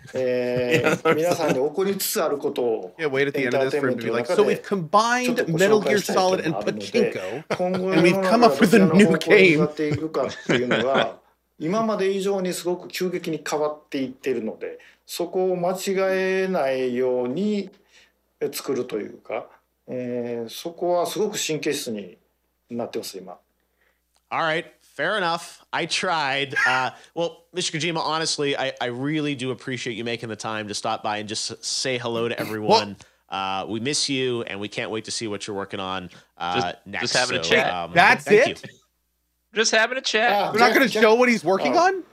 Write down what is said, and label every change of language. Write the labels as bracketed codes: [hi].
[en] Yeah, wait at the end of this for him to be like, so we've combined Metal Gear Solid and Pachinko, and we've come up with a new game. [ja] そこはすごく神経質になってます今。 [en] All right, Fair enough. I tried. Well, Mr. Kojima, honestly, I really do appreciate you making the time to stop by and just say hello to everyone. We miss you, and we can't wait to see what you're working on next. Just having a chat. That's it? Just having a chat. You're not going to show what he's working on?